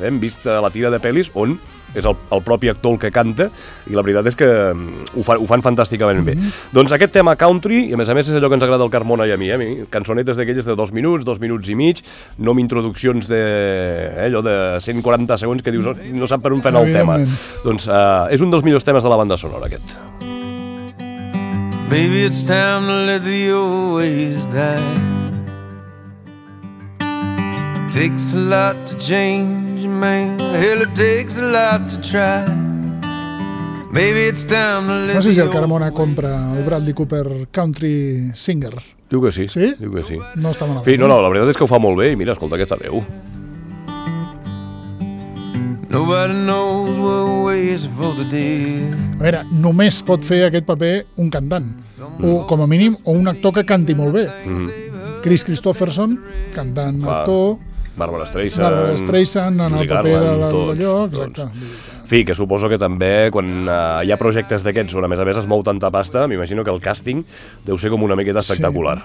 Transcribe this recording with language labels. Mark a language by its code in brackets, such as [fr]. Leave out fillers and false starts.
[ca] Hem vist la tira de pel·lis on és el propi actor el que canta, i la veritat és que ho fan fantàsticament bé. Doncs aquest tema country, i a més és allò que ens agrada el Carmona i a mi, cançonetes d'aquelles de dos minuts i mig, no amb introduccions de allò de 140 segons que dius no sap per on fan el tema. Doncs és un dels millors temes de la banda sonora, aquest. [en] Baby, it's time to let the old ways die. Takes a lot to change a man. Hell, it takes a lot to try. Maybe it's time to let the old ways die. [ca] No sé si el Carmona compra el Bradley Cooper Country Singer. Diu que sí. Sí? Diu que sí. No està malament. Fí, no, la veritat és que ho fa molt bé. I mira, escolta aquesta veu. [en] Nobody knows what waits for the day. [ca] A veure, només pot fer aquest paper un cantant, o com a mínim o un actor que canti molt bé. Chris Christopherson, cantant, clar, actor. Barbara Streisand. Barbara Streisand en el paper de d'allò, exacte. Doncs. Fi, que suposo que també quan hi ha projectes d'aquests on a més a més es mou tanta pasta, m'imagino que el càsting deu ser com una miqueta espectacular.